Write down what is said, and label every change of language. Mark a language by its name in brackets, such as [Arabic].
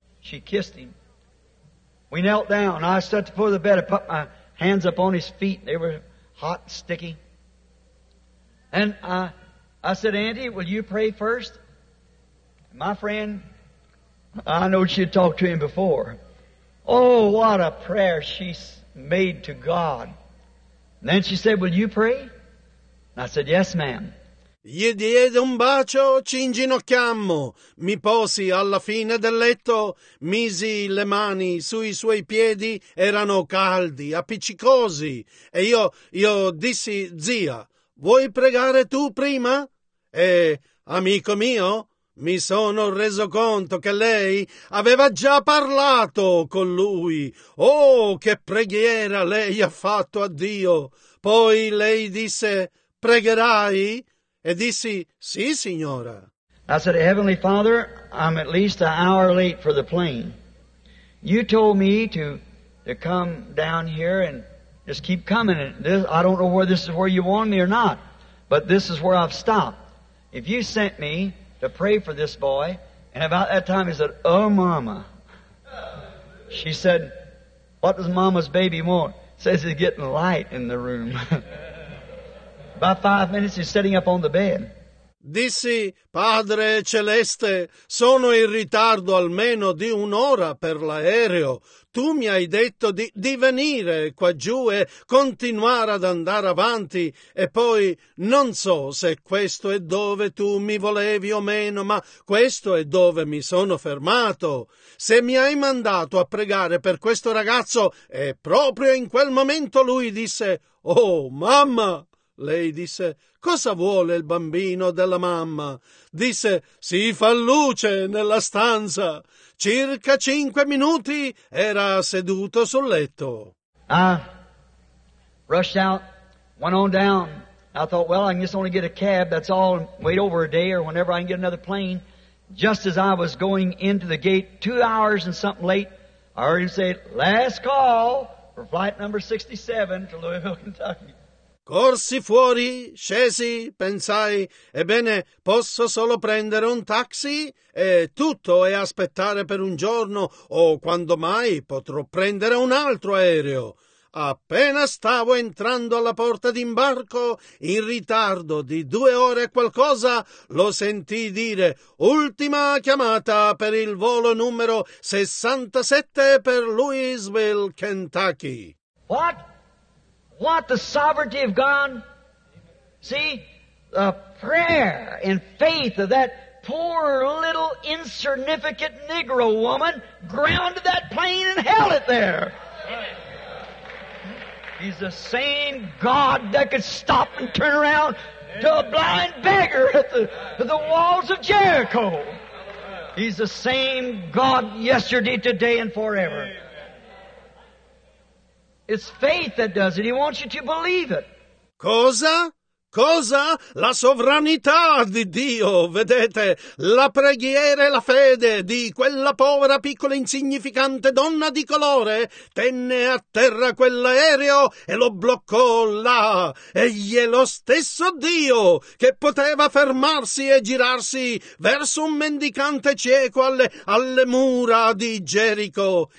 [English] She kissed him. We knelt down. I stood before the bed and put my hands up on his feet. They were hot and sticky. And I said, Auntie, will you pray first? My friend, I know she'd talked to him before. Oh, what a prayer she made to God. And then she said, will you pray? And I said, yes, ma'am. [Italian] Gli diede un bacio, ci inginocchiammo, mi posi alla fine del letto, misi le mani sui suoi piedi, erano caldi, appiccicosi, e io dissi, zia, vuoi pregare tu prima? E, amico mio, mi sono reso conto che lei aveva già parlato con lui. Oh, che preghiera lei ha fatto a Dio! Poi lei disse, pregherai? E dissi, sì, signora. [English] I said, Heavenly Father, I'm at least an hour late for the plane. You told me to come down here and just keep coming. And this, I don't know where this is where you want me or not, but this is where I've stopped. If you sent me to pray for this boy, and about that time he said, oh, Mama. She said, what does Mama's baby want? Says it's getting light in the room. By 5 minutes, he's sitting up on the bed. [Italian] Dissi, Padre Celeste, sono in ritardo almeno di un'ora per l'aereo. Tu mi hai detto di venire qua giù e continuare ad andare avanti. E poi, non so se questo è dove tu mi volevi o meno, ma questo è dove mi sono fermato. Se mi hai mandato a pregare per questo ragazzo, e proprio in quel momento lui disse, oh, mamma! Lei disse, cosa vuole il bambino della mamma? Disse, si fa luce nella stanza. Circa 5 minuti era seduto sul letto. [English] I rushed out, went on down. I thought, well, I can just only get a cab, that's all. Wait over a day or whenever I can get another plane. Just as I was going into the gate, 2 hours and something late, I heard him say, last call for flight number 67 to Louisville, Kentucky. [Italian] Corsi fuori, scesi, pensai, ebbene, posso solo prendere un taxi? E tutto è aspettare per un giorno, o quando mai potrò prendere un altro aereo. Appena stavo entrando alla porta d'imbarco, in ritardo di 2 ore qualcosa, lo sentii dire, ultima chiamata per il volo numero 67 per Louisville, Kentucky. [English] What? What, the sovereignty of God? See, the prayer and faith of that poor little insignificant Negro woman grounded that plane and held it there. Amen. He's the same God that could stop and turn around to a blind beggar at the walls of Jericho. He's the same God yesterday, today, and forever. It's faith that does it. He wants you to believe it. [Italian] Cosa? Cosa? La sovranità di Dio, vedete? La preghiera e la fede di quella povera, piccola, insignificante donna di colore tenne a terra quell'aereo e lo bloccò là. Egli è lo stesso Dio che poteva fermarsi e girarsi verso un mendicante cieco alle mura di Gerico.